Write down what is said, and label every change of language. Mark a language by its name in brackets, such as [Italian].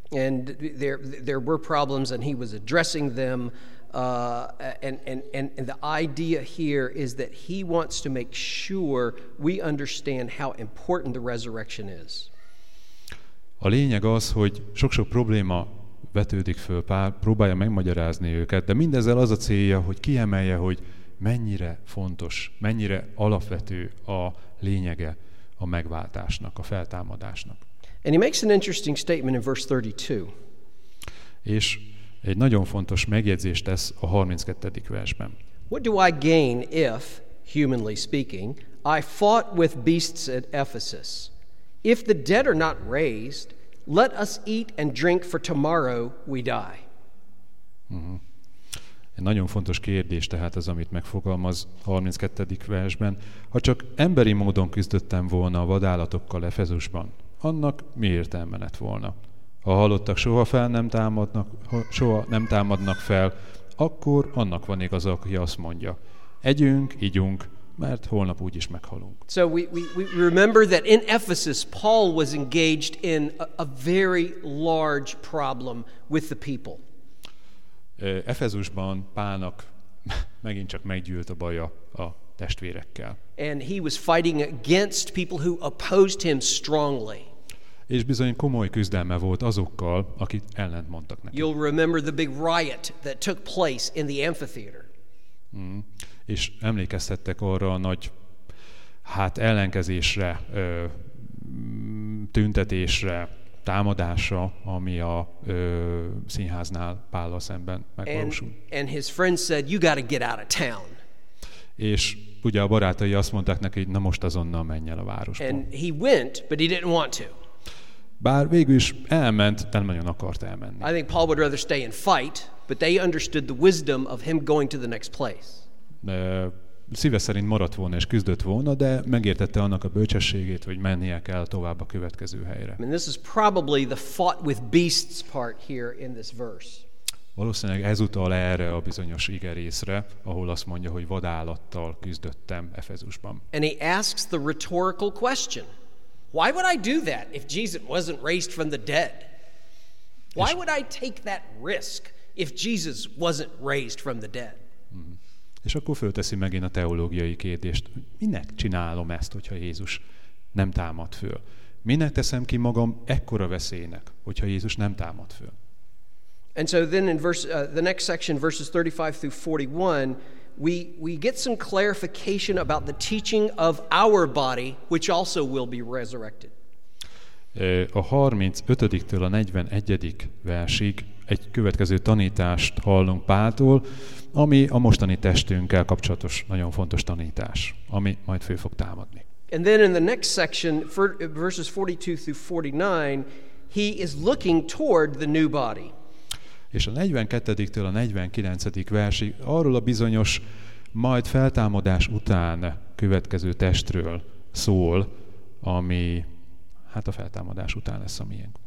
[English] And there were problems and he was addressing them and the idea here is that he wants to make sure we understand how important the resurrection is. [Hungarian] A lényeg az, hogy sok-sok probléma vetődik föl, próbálja megmagyarázni őket, de mindezzel az a célja, hogy kiemelje, hogy mennyire fontos, mennyire alapvető a lényege a megváltásnak, a feltámadásnak. [English] And he makes an interesting statement in verse 32. [Hungarian] És egy nagyon fontos megjegyzést tesz a 32. versben. [English] What do I gain if, humanly speaking, I fought with beasts at Ephesus? If the dead are not raised, let us eat and drink, for tomorrow we die. [Hungarian] Egy nagyon fontos kérdés tehát az, amit megfogalmaz 32. versben. Ha csak emberi módon küzdöttem volna a vadállatokkal Efezusban, annak mi értelme lett volna? Ha halottak soha fel nem támadnak, akkor annak van igaza, aki azt mondja: együnk, igyunk, mert holnap úgyis meghalunk. [English] So we remember that in Ephesus Paul was engaged in a very large problem with the people. [Hungarian] Efezusban Pálnak megint csak meggyűlt a baja a testvérekkel. [English] And he was fighting against people who opposed him strongly. [Hungarian] És bizony komoly küzdelme volt azokkal, akik ellentmondtak neki. [English] You'll remember the big riot that took place in the amphitheater. [Hungarian] És emlékeztettek arra a nagy ellenkezésre, tüntetésre, támadásra, ami a színháznál Pállal szemben megvalósult. [English] And his friends said, you gotta get out of town. [Hungarian] És ugye a barátai azt mondták neki, na most azonnal menj el a városból. [English] And he went, but he didn't want to. [Hungarian] Bár végül is elment, de nem nagyon akart elmenni. [English] I think Paul would rather stay and fight, but they understood the wisdom of him going to the next place. [Hungarian] Szíve szerint maradt volna és küzdött volna, de megértette annak a bölcsességét, hogy mennie kell tovább a következő helyre. [English] And this is probably the fought with beasts part here in this verse. [Hungarian] Valószínűleg ez utal erre a bizonyos igerészre, ahol azt mondja, hogy vadállattal küzdöttem Efezusban. [English] And he asks the rhetorical question. Why would I do that if Jesus wasn't raised from the dead? Why would I take that risk if Jesus wasn't raised from the dead? [Hungarian] És akkor fölteszi megint a teológiai kérdést. Minek csinálom ezt, hogyha Jézus nem támad föl? Minek teszem ki magam ekkora veszélynek, hogyha Jézus nem támad föl? [English] And so then in the next section, verses 35 through 41, we get some clarification about the teaching of our body, which also will be resurrected. [Hungarian] A 35-től a 41. versig egy következő tanítást hallunk Páltól, ami a mostani testünkkel kapcsolatos nagyon fontos tanítás, ami majd föl fog támadni. [English] And then in the next section, verses 42 through 49, he is looking toward the new body. [Hungarian] És a 42-től a 49. versig arról a bizonyos majd feltámadás után következő testről szól, ami hát a feltámadás után lesz a miénk.